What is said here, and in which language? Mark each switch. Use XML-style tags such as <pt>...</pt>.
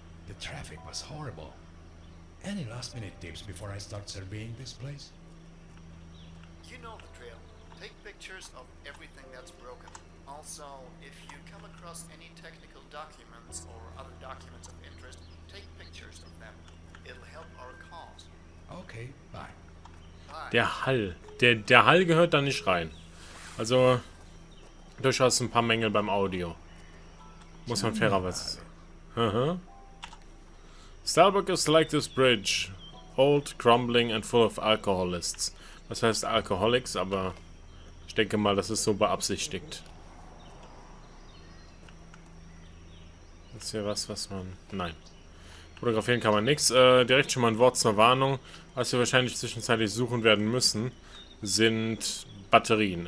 <en>The traffic was horrible. Any last-minute tips before I start surveying this place? You know the drill. Take pictures of everything that's broken. Also, if you come across any technical documents or other documents of interest, take pictures of them. It'll help our cause. Okay, bye.</en> <de>Der Hall. Der Hall gehört da nicht rein. Also, durchaus ein paar Mängel beim Audio. Muss man fairerweise.</de> <en>Starbuck is like this bridge. Old, crumbling and full of alcoholists.</en> <de>Das heißt Alcoholics, aber ich denke mal, das ist so beabsichtigt. Ist hier was, was man... Nein. Fotografieren kann man nichts. Direkt schon mal ein Wort zur Warnung. Was wir wahrscheinlich zwischenzeitlich suchen werden müssen, sind Batterien.</de>